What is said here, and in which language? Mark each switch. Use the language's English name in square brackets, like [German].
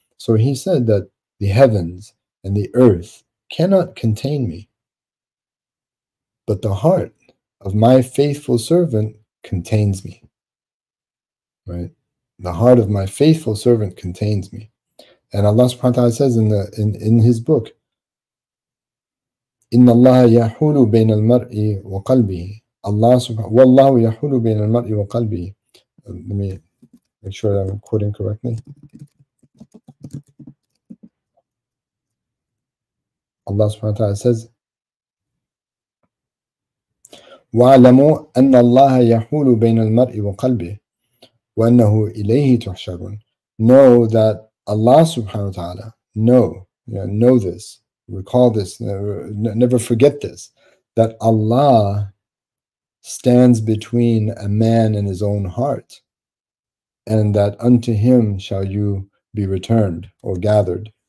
[English] So he said that the heavens and the earth cannot contain me, but the heart of my faithful servant contains me. Right? The heart of my faithful servant contains me. And Allah subhanahu wa ta'ala says in his book, [Arabic] إن الله يحول بين المرء وقلبه. الله سبحانه والله يحول بين المرء وقلبه. [English] Let me make sure I'm quoting correctly. [Arabic] Allah سبحانه وتعالى says, وَاعْلَمُوا أَنَّ اللَّهَ يَحُولُ بَيْنَ الْمَرْءِ وَقَلْبِهِ وَأَنَّهُ إِلَيْهِ تُحْشَرُونَ. [English] Know that Allah سبحانه وتعالى, know this. Recall this, never forget this, that Allah stands between a man and his own heart, and that unto him shall you be returned or gathered.